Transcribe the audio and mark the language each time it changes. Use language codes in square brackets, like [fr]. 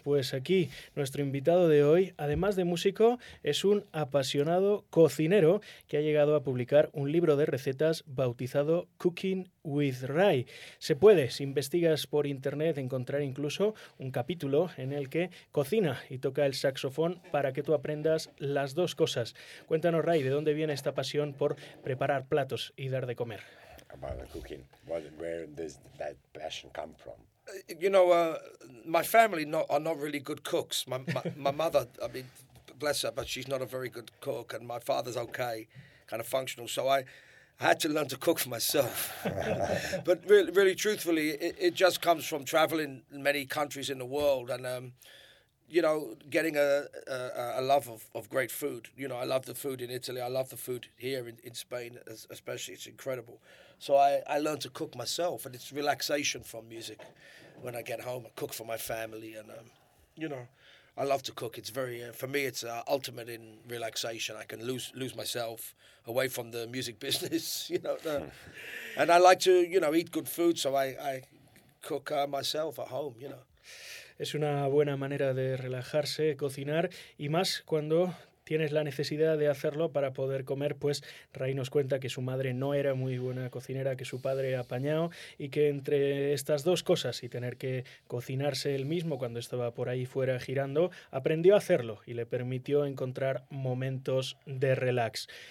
[es] Pues aquí, nuestro invitado de hoy, además de músico, es un apasionado cocinero que ha llegado a publicar un libro de recetas bautizado Cooking with Rye. Se puede, si investigas por internet, encontrar incluso un capítulo en el que cocina y toca el saxofón para que tú aprendas las dos cosas. Cuéntanos, Rai, ¿de dónde viene esta pasión por preparar platos y dar de comer? [en] About the cooking. Where does that passion come from? You know, my family are not really good cooks. My mother, I mean, bless her, but she's not a very good cook, and my father's okay, kind of functional. So I had to learn to cook for myself. But really, really truthfully, it just comes from traveling many countries in the world and you know, getting a love of great food. You know, I love the food in Italy. I love the food here in Spain, especially. It's incredible. So I learned to cook myself, and it's relaxation from music when I get home. I cook for my family, and, you know, I love to cook. It's very, for me, it's ultimate in relaxation. I can lose myself away from the music business, you know. And I like to, you know, eat good food, so I cook myself at home, you know. [es] Es una buena manera de relajarse, cocinar, y más cuando tienes la necesidad de hacerlo para poder comer. Pues Ray nos cuenta que su madre no era muy buena cocinera, que su padre apañado, y que entre estas dos cosas y tener que cocinarse él mismo cuando estaba por ahí fuera girando, aprendió a hacerlo y le permitió encontrar momentos de relax.